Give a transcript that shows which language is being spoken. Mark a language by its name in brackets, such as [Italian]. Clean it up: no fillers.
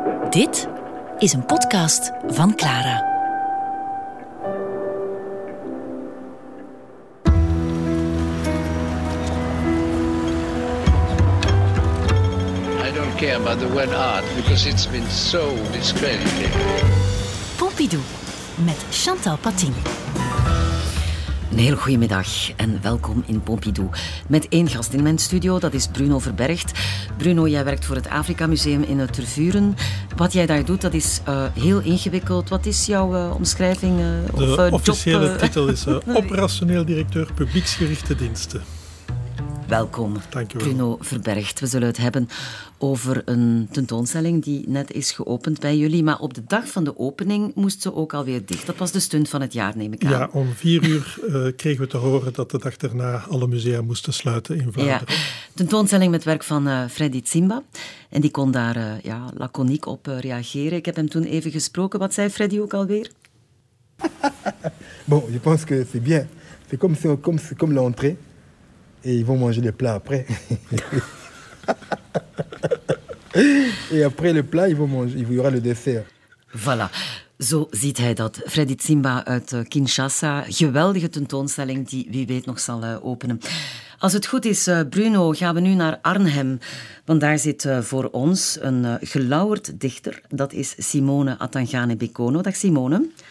[Dutch] Dit is een podcast van Clara. [English] I don't care about the word art because it's been so discredited. [Dutch] Pompidou met Chantal Patin. Een heel goedemiddag en welkom in Pompidou. Met één gast in mijn studio, dat is Bruno Verbergt. Bruno, jij werkt voor het Afrika Museum in Tervuren. Wat jij daar doet, dat is heel ingewikkeld. Wat is jouw omschrijving? Titel is operationeel directeur publieksgerichte diensten. Welkom, Bruno Verbergt. We zullen het hebben over een tentoonstelling die net is geopend bij jullie. Maar op de dag van de opening moest ze ook alweer dicht. Dat was de stunt van het jaar, neem ik aan. Ja, om 4 uur kregen we te horen dat de dag daarna alle musea moesten sluiten in Vlaanderen. Ja, tentoonstelling met werk van Freddy Tsimba. En die kon daar laconiek op reageren. Ik heb hem toen even gesproken. Wat zei Freddy ook alweer? [French] Bon, je pense que c'est bien. C'est comme, comme l'entrée. Et ils vont manger les plats après. Et après le plat, ils vont manger, il y aura le dessert. [Dutch] Voilà. Zo ziet hij dat. Freddy Tsimba uit Kinshasa. Geweldige tentoonstelling die wie weet nog zal openen. Als het goed is, Bruno, gaan we nu naar Arnhem. Want daar zit voor ons een gelauwerd dichter. Dat is Simone Atangane Bekono. Dag Simone.